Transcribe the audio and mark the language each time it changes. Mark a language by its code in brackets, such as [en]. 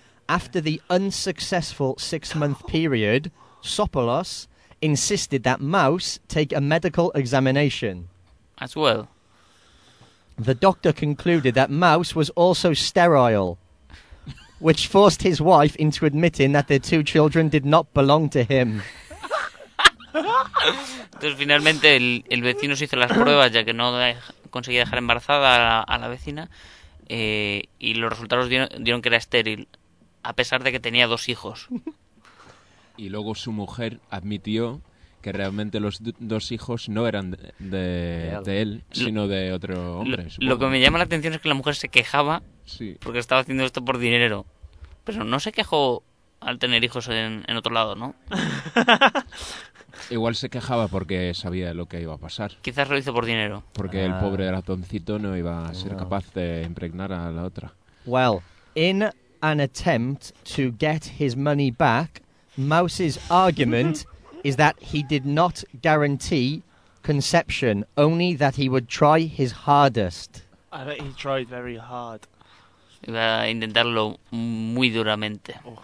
[en] After the unsuccessful 6-month period, Sopoulos insisted that Mouse take a medical examination. As well. The doctor concluded that Mouse was also sterile, which forced his wife into admitting that their two children did not belong to him. [es] Entonces, finalmente, el vecino se hizo las pruebas, ya que no conseguía dejar embarazada a la vecina, y los resultados dieron que era estéril, a pesar de que tenía dos hijos. Y luego su mujer admitió que realmente los dos hijos no eran de él, sino de otro hombre. Lo que me llama la atención es que la mujer se quejaba, sí, porque estaba haciendo esto por dinero. Pero no se quejó al tener hijos en otro lado, ¿no? Igual se quejaba porque sabía lo que iba a pasar. Quizás lo hizo por dinero. Porque el pobre ratoncito no iba a ser capaz de impregnar a la otra. [en] Well, in an attempt to get his money back, Mouse's argument is that he did not guarantee conception, only that he would try his hardest. I bet he tried very hard. [es] Iba a intentarlo muy duramente.